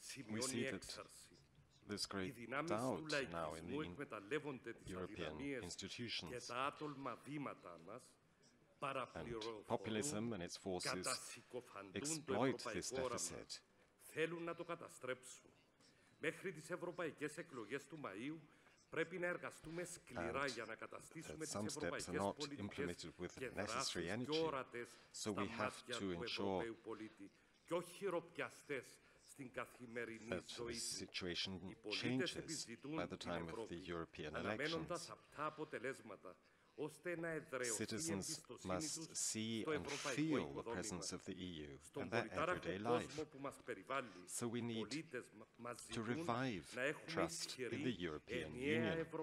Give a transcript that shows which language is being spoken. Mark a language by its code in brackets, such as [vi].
[en] We see that this great doubt now in the European institutions and populism and its forces exploit this deficit. [el] Θέλουν να το καταστρέψουν. Μέχρι τις ευρωπαϊκές εκλογές του Μαΐου πρέπει να εργαστούμε σκληρά για να καταστήσουμε τις ευρωπαϊκές πολιτικές και δράσεις πιο ορατές στα μάτια του Ευρωπαίου πολίτη και όχι χειροπιαστές στην καθημερινή ζωή. Οι πολίτες επιζητούν την Ευρώπη, αναμένοντας αυτά αποτελέσματα. [en] Citizens must see and feel the presence of the EU in their everyday life. So we need to revive trust in the European Union.